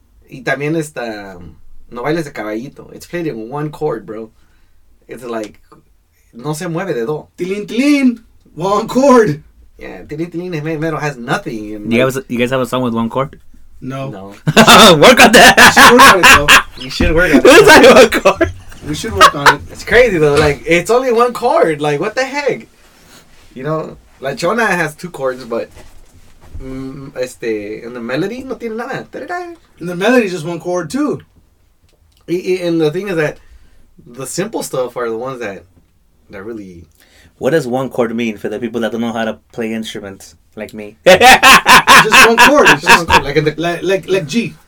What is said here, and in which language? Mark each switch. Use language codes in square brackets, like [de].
[es] Y también está No Bailes de Caballito. [en] It's played in one chord, bro. It's like, [es] no se mueve de do. [en] Tilin, tilin, one chord. Yeah, tilin, tilin, mero has nothing. And you guys have a song with one chord? No. No. Work on that. We should work on it, though. You should work on it. It's like one chord. We should work on it. It's crazy, though. Like, it's only one chord. Like, what the heck? You know, La Chona has two chords, but... and the melody [es] no tiene nada. [en] And the melody is just one chord too. And the thing is that the simple stuff are the ones that really. What does one chord mean for the people that don't know how to play instruments like me? Just one chord. It's just one chord. Like G.